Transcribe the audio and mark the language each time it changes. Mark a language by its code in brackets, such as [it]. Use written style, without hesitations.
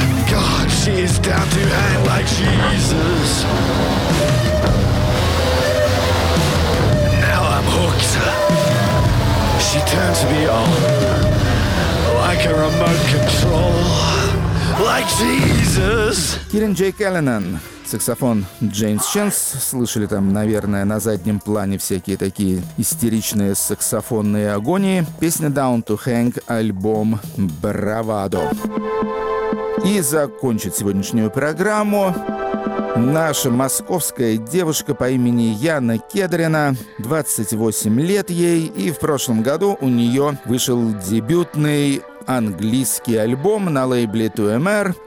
[en] God, she is down to hang like Jesus. Now I'm hooked. She turns me on like a remote control. Like Jesus. [ru] Кирин Джей Келленен, саксофон Джеймс Ченс. Слышали там, наверное, на заднем плане всякие такие истеричные саксофонные агонии. Песня «Down to Hang», альбом «Bravado». И закончить сегодняшнюю программу наша московская девушка по имени Яна Кедрина. 28 лет ей, и в прошлом году у нее вышел дебютный английский альбом на лейбле 2MR.